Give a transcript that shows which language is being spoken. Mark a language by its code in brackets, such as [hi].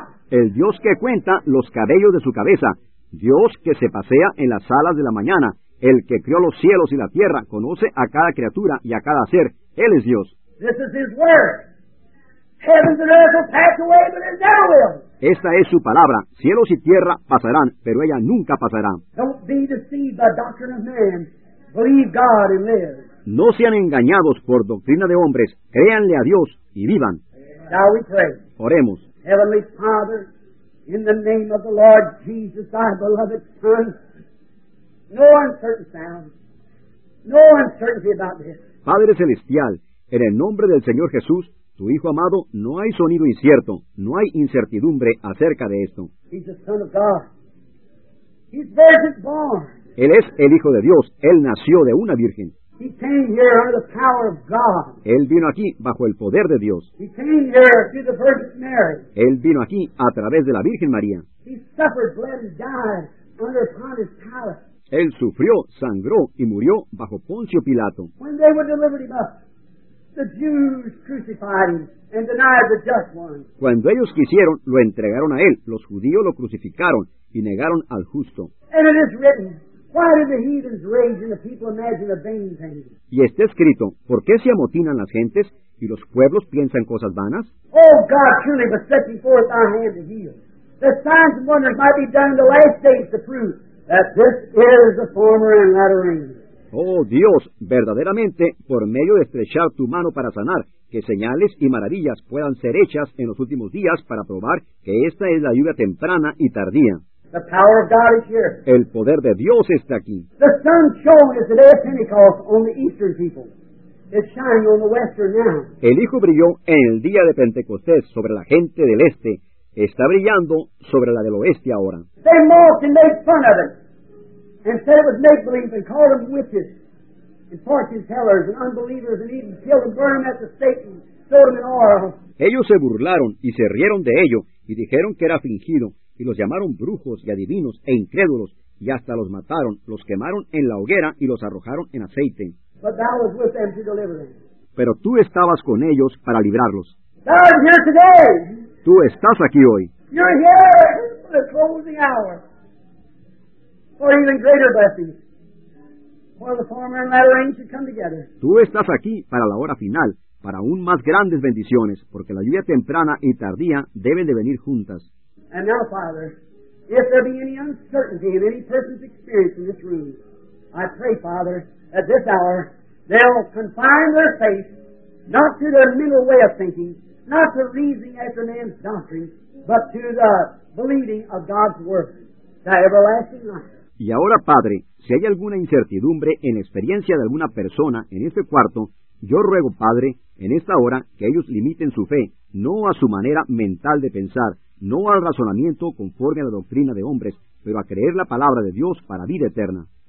[es] El Dios que cuenta los cabellos de su cabeza, Dios que se pasea en las alas de la mañana, el que creó los cielos y la tierra, conoce a cada criatura y a cada ser. Él es Dios. [en] This is his word. Heavens and earth will pass away, but it never will. [es] Esta es su palabra. Cielos y tierra pasarán, pero ella nunca pasará. [en] Don't be deceived by doctrine of man. Believe God and live. [es] No sean engañados por doctrina de hombres. Créanle a Dios y vivan. [en] Now we pray. [es] Oremos. [en] Heavenly Father, in the name of the Lord Jesus, thy beloved Son, no uncertain sound. No uncertainty about this. [es] Padre Celestial, en el nombre del Señor Jesús, tu Hijo amado, no hay sonido incierto, no hay incertidumbre acerca de esto. [en] He's the Son of God. He's virgin born. [es] Él es el Hijo de Dios. Él nació de una virgen. [en] He came here under the power of God. [es] Él vino aquí bajo el poder de Dios. [en] He came here through the Virgin Mary. [es] Él vino aquí a través de la Virgen María. [en] He suffered, bled, and died under Pontius Pilate. [es] Él sufrió, sangró y murió bajo Poncio Pilato. [en] When they were delivered him up, the Jews crucified him and denied the just one. [es] Cuando ellos quisieron, lo entregaron a él. Los judíos lo crucificaron y negaron al justo. [en] And it is written, why did the heathens rage and the people imagine a vain thing? [es] Y está escrito, ¿por qué se amotinan las gentes y los pueblos piensan cosas vanas? [en] Oh God, truly, but setting forth our hand to heal, the signs and wonders might be done in the last days to prove that this is the former and latter reign. [es] Oh Dios, verdaderamente, por medio de estrechar tu mano para sanar, que señales y maravillas puedan ser hechas en los últimos días para probar que esta es la lluvia temprana y tardía. [en] The power of God is here. [es] El poder de Dios está aquí. [en] The sun shone as the day of Pentecost on the eastern people. It's shining on the western now. [es] El hijo brilló en el día de Pentecostés sobre la gente del este. Está brillando sobre la del oeste ahora. [en] They mocked and made fun of it, and said it was make-believe, and called them witches, and fortune tellers, and unbelievers, and even killed and burned them at the stake, and threw them in oil. [es] Ellos se burlaron y se rieron de ello, y dijeron que era fingido, y los llamaron brujos y adivinos e incrédulos, y hasta los mataron, los quemaron en la hoguera y los arrojaron en aceite. [en] But thou was with them to deliver them. [es] Pero tú estabas con ellos para librarlos. [en] Thou art here today. [es] Tú estás aquí hoy. [en] You're here for the closing hour. For even greater blessings. For the former and latter rain should come together. [es] Tú estás aquí para la hora final, para aún más grandes bendiciones, porque la lluvia temprana y tardía deben de venir juntas. [en] And now, Father, if there be any uncertainty in any person's experience in this room, I pray, Father, at this hour, they'll confine their faith not to their mental way of thinking, not to reasoning after man's doctrine, but to the believing of God's word, the everlasting life. [es] Y ahora, Padre, si hay alguna incertidumbre en la experiencia de alguna persona en este cuarto, yo ruego, Padre, en esta hora, que ellos limiten su fe, no a su manera mental de pensar, no al razonamiento conforme a la doctrina de hombres, pero a creer la palabra de Dios para vida eterna.